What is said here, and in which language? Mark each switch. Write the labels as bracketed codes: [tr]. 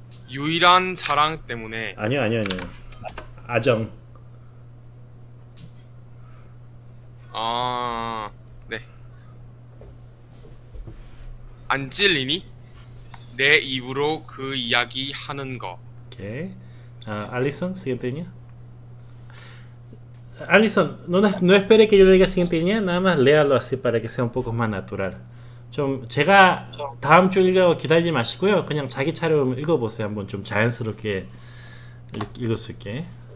[ko] 유일한 사랑 때문에 아니요. 아정. 아, 네. 안 찔리니? 내 입으로 그 이야기 하는 거. 오케이. [es] 알리슨, siguiente línea. Alison, no espere que yo le diga siguiente línea, nada más léalo así para que sea un poco más natural. [ko] 좀 제가 다음 주 읽어 기다리지 마시고요. 그냥 자기 차례로 읽어보세요. 한번 좀 자연스럽게 읽을 수 있게.